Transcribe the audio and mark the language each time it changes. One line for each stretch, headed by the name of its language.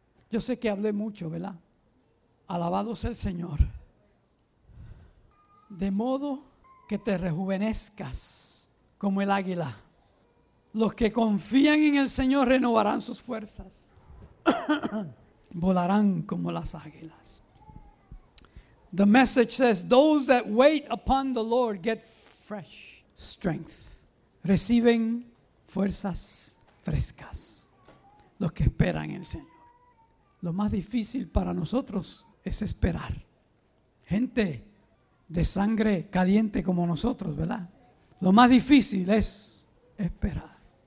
Spanish: Yo sé que hablé mucho, ¿verdad? Alabado sea el Señor. De modo que te rejuvenezcas como el águila. Los que confían en el Señor renovarán sus fuerzas. Volarán como las águilas.
English: The message says, those that wait upon the Lord get fresh strength.
Spanish: Reciben fuerzas frescas, los que esperan en el Señor. Lo más difícil para nosotros es esperar. Gente de sangre caliente como nosotros, ¿verdad? Lo más difícil es esperar.